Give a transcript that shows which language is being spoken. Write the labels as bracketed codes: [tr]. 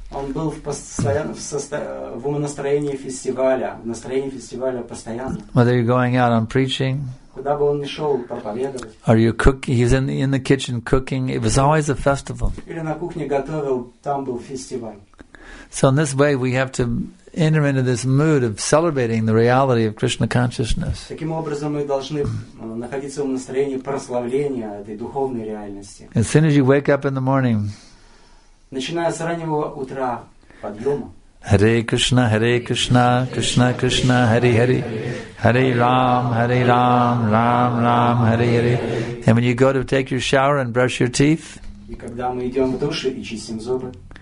[ru] Он был в настроении фестиваля, в настроении фестиваля постоянно. [en] Whether you're going out on preaching, [ru] куда бы он ни шел проповедовать, [en] or you're cooking, he's in the kitchen cooking. It was always a festival. [ru] Или на кухне готовил, там был фестиваль. [en] So in this way, we have to enter into this mood of celebrating the reality of Krishna consciousness. [ru] Таким образом, мы должны находиться в настроении прославления этой духовной реальности. [en] As soon as you wake up in the morning, [ru] начиная с раннего утра подъема, [sa] Hare Krishna, Krishna Krishna, Hare Hare, Hare Ram, Ram Ram, Hare Hare. [en] And when you go to take your shower and brush your teeth, [ru] и когда мы идем в душ и чистим зубы,